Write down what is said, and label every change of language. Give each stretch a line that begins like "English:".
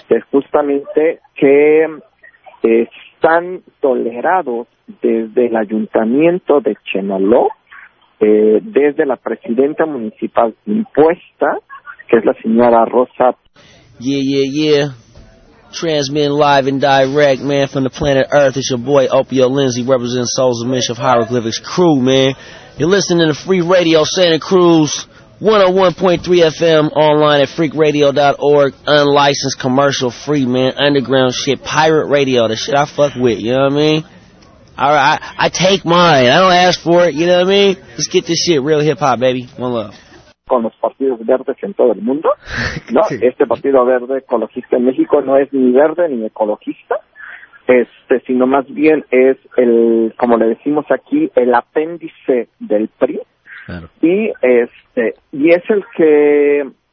Spanish: Justamente que están tolerados desde el ayuntamiento de Chenaló, desde la presidenta municipal impuesta, que es la señora Rosa.
English: Yeah. Transmitting live and direct, man, from the planet Earth. It's your boy Opio Lindsay, representing Souls of Mission of Hieroglyphics crew, man. You're listening to the Free Radio Santa Cruz, 101.3 FM, online at freakradio.org, unlicensed, commercial free, man, underground shit, pirate radio, the shit I fuck with, you know what I mean? Alright, I take mine, I don't ask for it, you know what I mean? Let's get this shit real hip hop, baby. One love.
Spanish: Con los partidos verdes en todo el mundo, ¿no? Sí. Este partido verde ecologista en México no es ni verde ni ecologista, sino más bien es el, como le decimos aquí, el apéndice del PRI. Claro. Y es el que